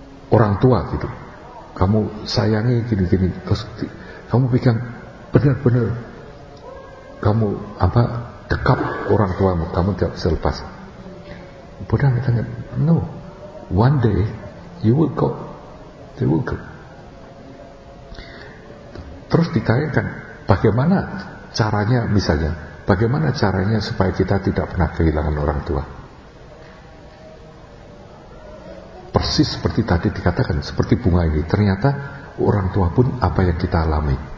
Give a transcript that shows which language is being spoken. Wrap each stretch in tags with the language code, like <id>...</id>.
<id>orang tua gitu, kamu sayangi gini-gini, terus kamu pikir benar-benar kamu apa dekat orang tuamu, kamu tidak bisa lepas.</id> <en>Buddha</en> <id>katanya,</id> <en>no, one day you will go, they will go.</en> <id>Terus ditanyakan, bagaimana caranya misalnya, bagaimana caranya supaya kita tidak pernah kehilangan orang tua? Persis seperti tadi dikatakan, seperti bunga ini, ternyata orang tua pun apa yang kita alami.</id>